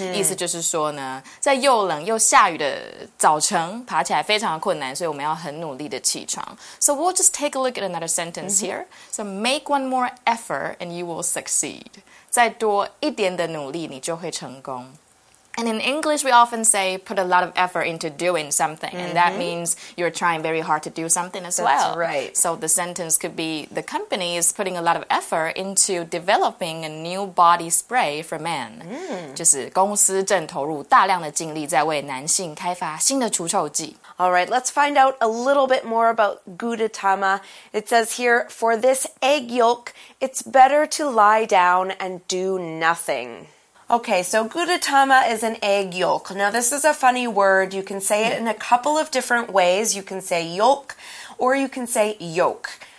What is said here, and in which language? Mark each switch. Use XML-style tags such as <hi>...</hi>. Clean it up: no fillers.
<zh>意思就是说呢，在又冷又下雨的早晨爬起来非常困难，所以我们要很努力的起床。</zh> <en>So we'll just take a look at another sentence here. So make one more effort and you will succeed.</en> <zh>再多一点的努力你就会成功。</zh> <en>And in English, we often say, put a lot of effort into doing something. And that means you're trying very hard to do something as well. That's right. So the sentence could be, the company is putting a lot of effort into developing a new body spray for men.</en> <zh>就是公司正投入大量的精力在为男性开发新的除臭剂。</zh> <en>All right, let's find out a little bit more about Guretama. It says here, for this egg yolk, it's better to lie down and do nothing. Okay, so Guretama is an egg yolk. Now, this is a funny word. You can say it in a couple of different ways. You can say yolk, or you can say yolk.</en>